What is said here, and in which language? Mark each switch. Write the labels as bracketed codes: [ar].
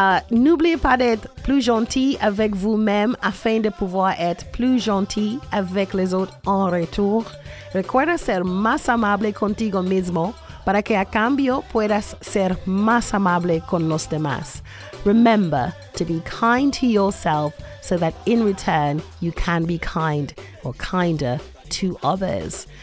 [fr] N'oubliez pas d'être plus gentil avec vous-même afin de pouvoir être plus gentil avec les autres en retour. [es] Recuerda ser más amable contigo mismo para que a cambio puedas ser más amable con los demás. [en] Remember to be kind to yourself so that in return you can be kind or kinder to others.